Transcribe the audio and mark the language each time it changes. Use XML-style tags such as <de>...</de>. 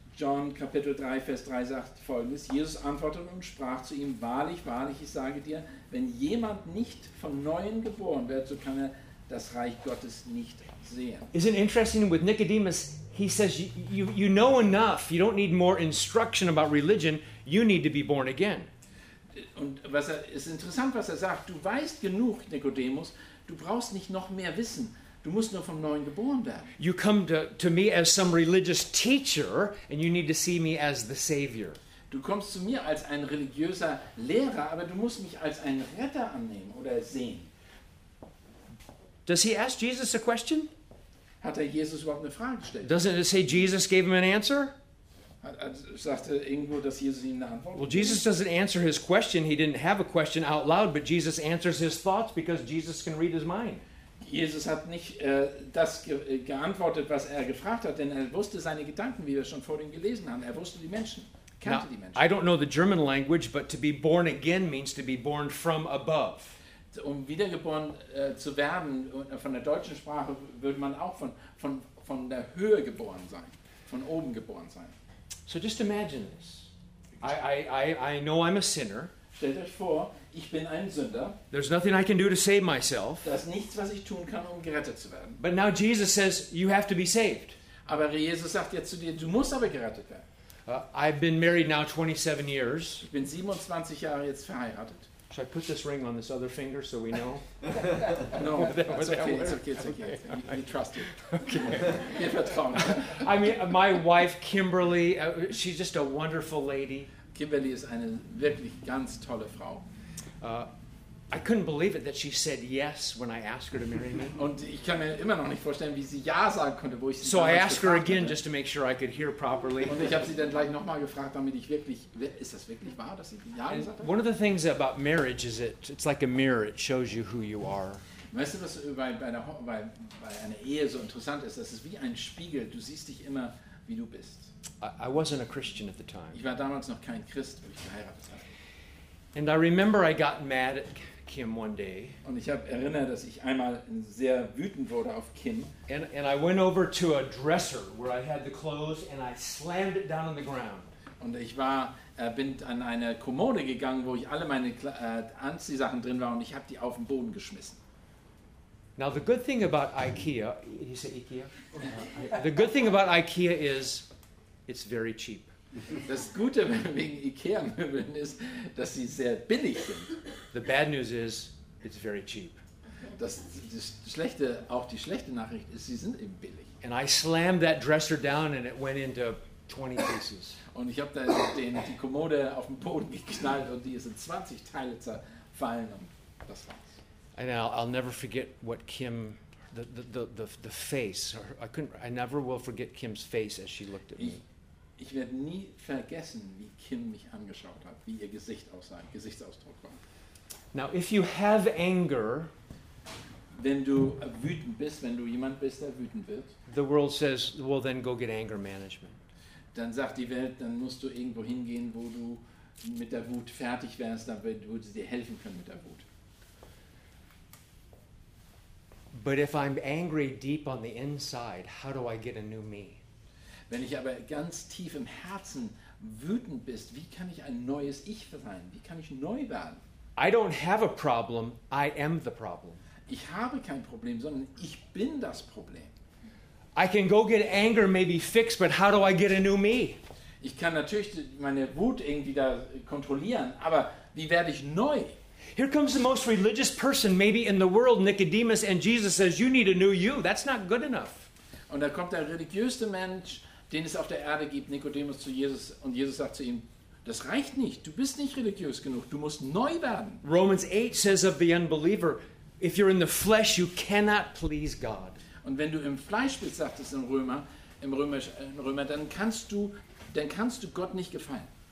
<de>John Kapitel 3 Vers 3 sagt folgendes: Jesus antwortete und sprach zu ihm: Wahrlich, wahrlich, ich sage dir, wenn jemand nicht von neuem geboren wird, so kann er das Reich Gottes nicht sehen.</de> <en>Is it interesting with Nicodemus? He says, you know enough. You don't need more instruction about religion. You need to be born again.</en> <de>Und es ist interessant, was er sagt. Du weißt genug, Nikodemus. Du brauchst nicht noch mehr Wissen. Du musst nur vom Neuen geboren werden.</de> <en>You come to me as some religious teacher and you need to see me as the Savior.</en> <de>Du kommst zu mir als ein religiöser Lehrer, aber du musst mich als einen Retter annehmen oder sehen.</de> <en>Does he ask Jesus a question?</en> <de>Hat er Jesus überhaupt eine Frage gestellt?</de> <en>Doesn't it say Jesus gave him an answer?</en> <de>Sagte irgendwo, dass Jesus ihm eine Antwort.</de> <en>Well, Jesus doesn't answer his question. He didn't have a question out loud, but Jesus answers his thoughts because Jesus can read his mind.</en> <de>Jesus hat nicht geantwortet, was er gefragt hat, denn er wusste seine Gedanken, wie wir schon vorhin gelesen haben. Er wusste die Menschen, kannte</de> <en>Now,</en> <de>die Menschen.</de> <en>I don't know the German language, but to be born again means to be born from above.</en> <de>Um wiedergeboren zu werden, von der deutschen Sprache würde man auch von der Höhe geboren sein, von oben geboren sein.</de> <en>So just imagine this. I know I'm a sinner.</en> <de>Stellt euch vor, ich bin ein Sünder.</de> <en>There's nothing I can do to save myself.</en> <de>Da ist nichts, was ich tun kann, um gerettet zu werden.</de> <en>But now Jesus says, you have to be saved.</en> <de>Aber Jesus sagt jetzt zu dir, du musst aber gerettet werden.</de> <en>I've been married now 27 years.</en> <de>Ich bin 27 Jahre jetzt verheiratet.</de> <en>Should I put this ring on this other finger so we know? No, that's okay. It's okay. You trust it. Okay. I mean, my wife Kimberly, she's just a wonderful lady.</en> <de>Kimberly ist eine wirklich ganz tolle Frau.</de> <en>I couldn't believe it that she said yes when I asked her to marry me.</en> <de>Und ich kann mir immer noch nicht vorstellen, wie sie ja sagen konnte, wo ich sie</de> <en>So I asked her again just to make sure I could hear properly.</en> <de>Und ich habe sie dann gleich nochmal gefragt, damit ich wirklich, ist das wirklich wahr, dass sie ja gesagt hat?</de> <en>One of the things about marriage is it's like a mirror. It shows you who you are.</en> <de>Weißt du, was bei einer Ehe so interessant ist? Das ist wie ein Spiegel. Du siehst dich immer, wie du bist.</de> <en>I wasn't a Christian at the time.</en> <de>Ich war damals noch kein Christ, wo ich geheiratet habe.</de> <en>And I remember I got mad at Kim one day.</en> <de>Und ich erinnere, dass ich einmal sehr wütend wurde auf Kim.</de> <en>And I went over to a dresser where I had the clothes and I slammed it down on the ground.</en> <de>Und ich war bin an eine Kommode gegangen, wo ich alle meine Anziehsachen drin war und ich habe die auf den Boden geschmissen.</de> <en>Now the good thing about IKEA, did you say IKEA? The good thing about IKEA is it's very cheap.</en> <de>Das Gute wegen IKEA-Möbeln ist, dass sie sehr billig sind.</de> <en>The bad news is, it's very cheap.</en> <de>Die schlechte Nachricht ist, sie sind eben billig.</de> <en>And I slammed that dresser down and it went into 20 pieces.</en> <de>Und ich habe da die Kommode auf den Boden geknallt und die ist in 20 Teile zerfallen und das war's.</de> <en>And I'll never forget what Kim the face. I never will forget Kim's face as she looked at me.</en> <de>Ich werde nie vergessen, wie Kim mich angeschaut hat, wie ihr Gesicht aussah, Gesichtsausdruck war.</de> <en>Now, if you have anger,</en> <de>wenn du wütend bist, wenn du jemand bist, der wütend wird,</de> <en>the world says, well, then go get anger management.</en> <de>Dann sagt die Welt, dann musst du irgendwo hingehen, wo du mit der Wut fertig wärst, damit du dir helfen können mit der Wut.</de> <en>But if I'm angry deep on the inside, how do I get a new me?</en> <de>Wenn ich aber ganz tief im Herzen wütend bist, wie kann ich ein neues Ich sein? Wie kann ich neu werden?</de> <en>I don't have a problem, I am the problem.</en> <de>Ich habe kein Problem, sondern ich bin das Problem.</de> <en>I can go get anger maybe fixed, but how do I get a new me?</en> <de>Ich kann natürlich meine Wut irgendwie da kontrollieren, aber wie werde ich neu?</de> <en>Here comes the most religious person maybe in the world, Nicodemus, and Jesus says, you need a new you. That's not good enough.</en> <de>Und da kommt der religiöste Mensch, den es auf der Erde gibt, Nicodemus, zu Jesus, und Jesus sagt zu ihm, das reicht nicht, du bist nicht religiös genug, du musst neu werden.</de> <en>Romans 8 says of the unbeliever, if you're in the flesh, you cannot please God.</en> <de>Und wenn du im Fleisch bist, sagt es im Römer, dann kannst du Gott nicht gefallen.</de>